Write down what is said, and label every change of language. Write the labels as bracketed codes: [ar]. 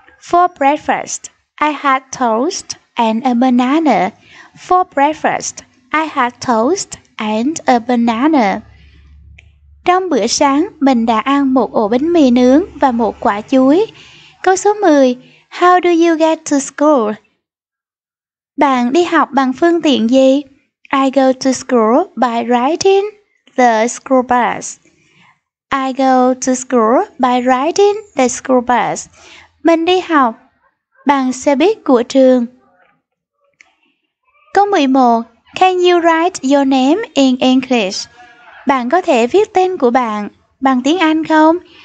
[en] For breakfast, I had toast and a banana. For breakfast, I had toast and a banana. [vi] Trong bữa sáng, mình đã ăn một ổ bánh mì nướng và một quả chuối. Câu số 10. [en] How do you get to school? [vi] Bạn đi học bằng phương tiện gì? [en] I go to school by riding the school bus. I go to school by riding the school bus. [vi] Mình đi học bằng xe buýt của trường. Câu 11. [en] Can you write your name in English? [vi] Bạn có thể viết tên của bạn bằng tiếng Anh không?